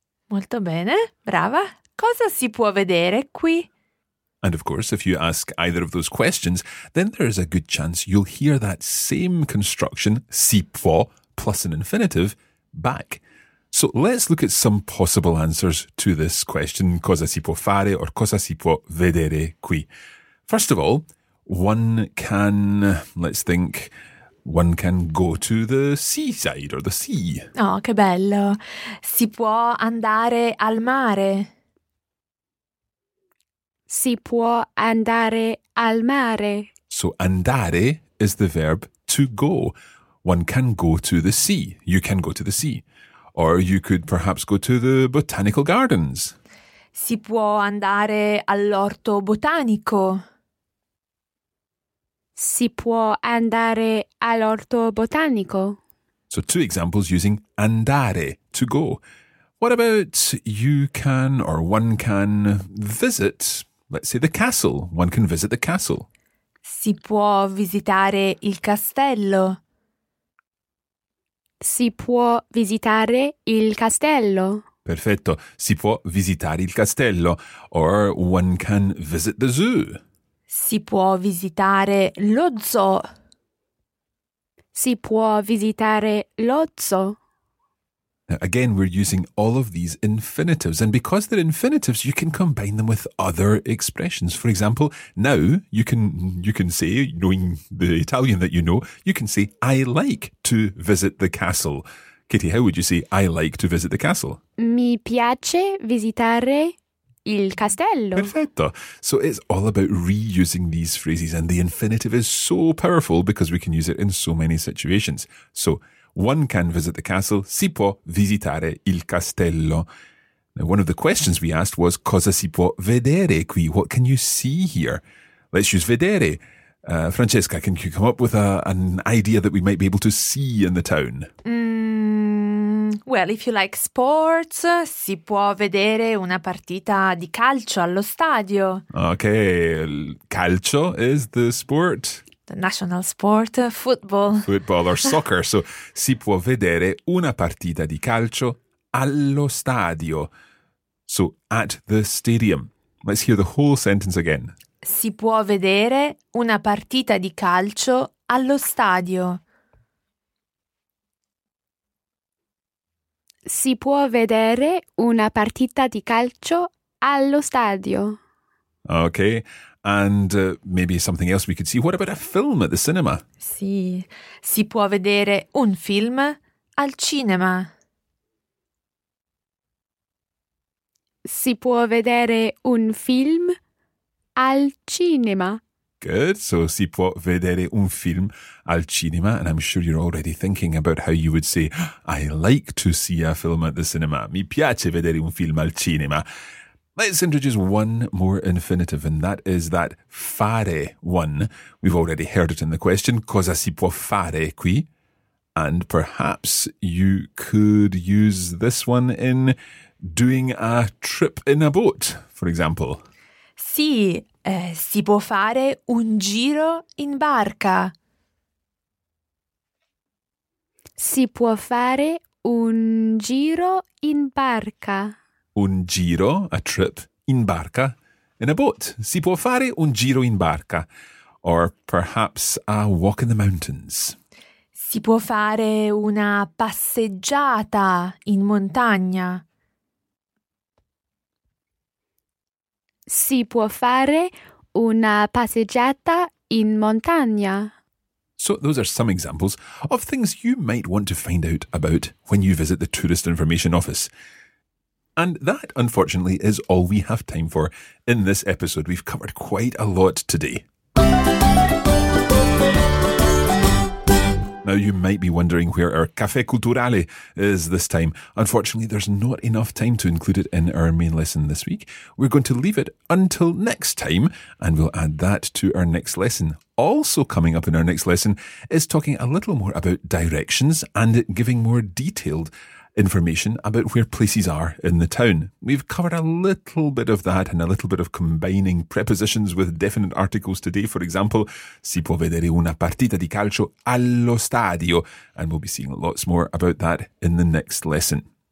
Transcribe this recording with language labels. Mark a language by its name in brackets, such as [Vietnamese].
[Italian] Molto bene. Brava. Cosa si può vedere qui? [English] And of course, if you ask either of those questions, then there is a good chance you'll hear that same construction, [Italian] si può, [English] plus an infinitive, back. So let's look at some possible answers to this question, [Italian] cosa si può fare [English] or [Italian] cosa si può vedere qui. [English] First of all, one can, let's think, one can go to the seaside or the sea. [Italian] Oh, che bello. Si può andare al mare. Si può andare al mare. [English] So andare is the verb to go. One can go to the sea. You can go to the sea. Or you could perhaps go to the botanical gardens. [Italian] Si può andare all'orto botanico. Si può andare all'orto botanico. [English] So two examples using andare, to go. What about you can or one can visit, let's say, the castle. One can visit the castle. [Italian] Si può visitare il castello. Si può visitare il castello. Perfetto. Si può visitare il castello. [English] Or one can visit the zoo. [Italian] Si può visitare lo zoo. Si può visitare lo zoo. [English] Now, again, we're using all of these infinitives. And because they're infinitives, you can combine them with other expressions. For example, now you can say, knowing the Italian that you know, you can say, I like to visit the castle. Kitty, how would you say, I like to visit the castle? [Italian] Mi piace visitare il castello. Perfetto. [English] So it's all about reusing these phrases, and the infinitive is so powerful because we can use it in so many situations. So one can visit the castle, [Italian] si può visitare il castello. [English] Now, one of the questions we asked was, [Italian] cosa si può vedere qui? [English] What can you see here? Let's use vedere. Francesca, can you come up with an idea that we might be able to see in the town? Well, if you like sports, [Italian] si può vedere una partita di calcio allo stadio. [English] Okay, calcio is the sport. The national sport, football. Football or soccer. [Italian] So, si può vedere una partita di calcio allo stadio. [English] So, at the stadium. Let's hear the whole sentence again. [Italian] Si può vedere una partita di calcio allo stadio. Si può vedere una partita di calcio allo stadio. [English] Okay, and maybe something else we could see. What about a film at the cinema? [Italian] Sì, si può vedere un film al cinema. Si può vedere un film al cinema. [English] Good, so [Italian] si può vedere un film al cinema, [English] and I'm sure you're already thinking about how you would say, I like to see a film at the cinema. [Italian] Mi piace vedere un film al cinema. [English] Let's introduce one more infinitive, and that is that fare one. We've already heard it in the question, [Italian] cosa si può fare qui? [English] And perhaps you could use this one in doing a trip in a boat, for example. [Italian] Sì. Si può fare un giro in barca. Si può fare un giro in barca. Un giro, [English] a trip, [Italian] in barca, [English] in a boat. [Italian] Si può fare un giro in barca. [English] Or perhaps a walk in the mountains. [Italian] Si può fare una passeggiata in montagna. Si può fare una passeggiata in montagna. [English] So those are some examples of things you might want to find out about when you visit the Tourist Information Office. And that, unfortunately, is all we have time for in this episode. We've covered quite a lot today. Now you might be wondering where our Café Culturale is this time. Unfortunately, there's not enough time to include it in our main lesson this week. We're going to leave it until next time, and we'll add that to our next lesson. Also coming up in our next lesson is talking a little more about directions and giving more detailed information about where places are in the town. We've covered a little bit of that and a little bit of combining prepositions with definite articles today. For example, [Italian] si può vedere una partita di calcio allo stadio. [English] And we'll be seeing lots more about that in the next lesson.